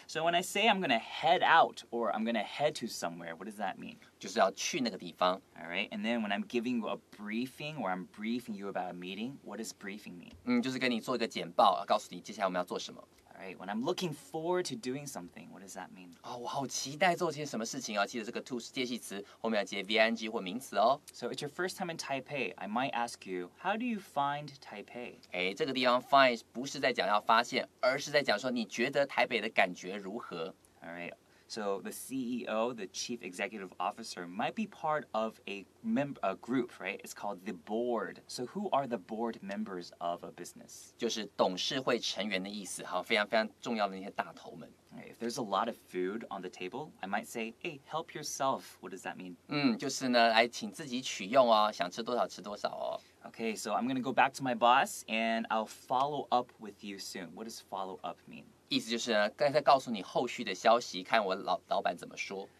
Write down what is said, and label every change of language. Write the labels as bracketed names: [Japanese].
[English] So when I say I'm going to head out or I'm going to head to somewhere, what does that mean? [Chinese] 就是要去那个地方 [English] Alright, and then when I'm giving you a briefing or I'm briefing you about a meeting, what does briefing mean? [Chinese] 就是跟你做一个简报告诉你接下来我们要做什么 [English] Alright, when I'm looking forward to doing something, what does that mean? [Chinese] 哦，我好期待做些什么事情哦记得这个 to 是介系词后面要接 VING 或名词哦 [English] So it's your first time in Taipei, I might ask you, how do you find Taipei? [Chinese] 哎，这个地方 find 不是在讲要发现而是在讲说你觉得台北的感觉如何 [English] Alright,So the CEO, the chief executive officer, might be part of a group, right? It's called the board. So who are the board members of a business? [Chinese] 就是董事会成员的意思，好，非常非常重要的那些大头们。 [English] Okay, if there's a lot of food on the table, I might say, hey, help yourself. What does that mean? [Chinese] 就是呢，来请自己取用哦，想吃多少吃多少哦。 [English] Okay, so I'm going to go back to my boss and I'll follow up with you soon. What does follow up mean? [Chinese] 意思就是呢，再告诉你后续的消息，看我老板怎么说。